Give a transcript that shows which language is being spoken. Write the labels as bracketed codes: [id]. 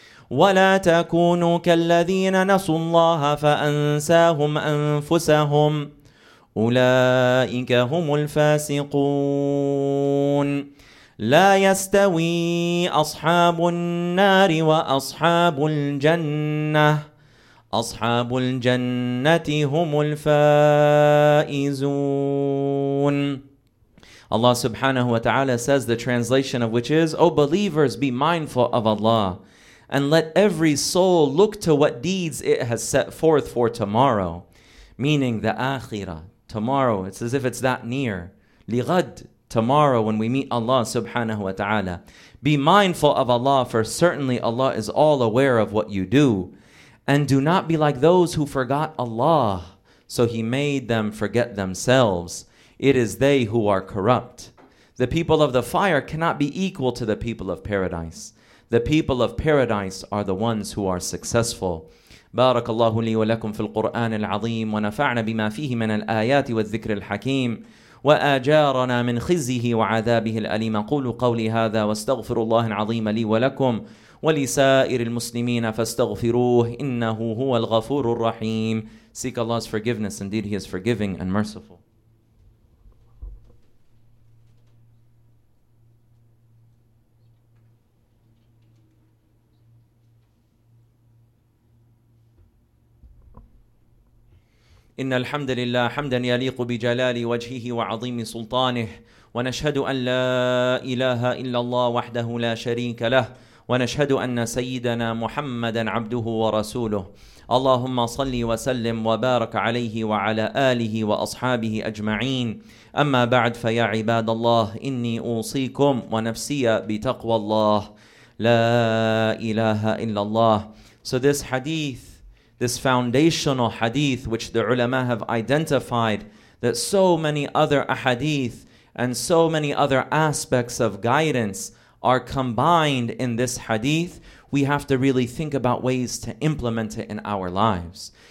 [ar] ولا تكونوا كالذين نسوا الله فأنساهم أنفسهم أولئك هم الفاسقون. لا يستوي أصحاب النار وأصحاب الجنة أصحاب الجنة هم الفائزون. [en] Allah subhanahu wa ta'ala says, the translation of which is, O believers, be mindful of Allah and let every soul look to what deeds it has set forth for tomorrow, meaning the akhirah, tomorrow. It's as if it's that near. لِغَدْ, tomorrow, when we meet Allah subhanahu wa ta'ala. Be mindful of Allah, for certainly Allah is all aware of what you do. And do not be like those who forgot Allah, so He made them forget themselves. It is they who are corrupt. The people of the fire cannot be equal to the people of paradise. The people of paradise are the ones who are successful. [ar] بارك الله لي ولكم في القرآن العظيم ونفعنا بما فيه من الآيات والذكر الحكيم وآجارنا من خزيه وعذابه الأليم. قولوا قولي هذا واستغفروا الله العظيم لي ولكم ولسائر المسلمين فاستغفروه إنه هو الغفور الرحيم. [en] Seek Allah's forgiveness. Indeed, He is forgiving and merciful. [ar] إن الحمد لله حمدا يليق بجلال وجهه وعظيم سلطانه ونشهد أن لا إله إلا الله وحده لا شريك له ونشهد أن سيدنا محمدا عبده ورسوله. اللهم صل وسلم وبارك عليه وعلى آله وأصحابه أجمعين. أما بعد فيا عباد الله إني أوصيكم ونفسي بتقوى الله لا إله إلا الله. [en] So this hadith, this foundational hadith which the ulama have identified that so many other ahadith and so many other aspects of guidance are combined in this hadith, we have to really think about ways to implement it in our lives.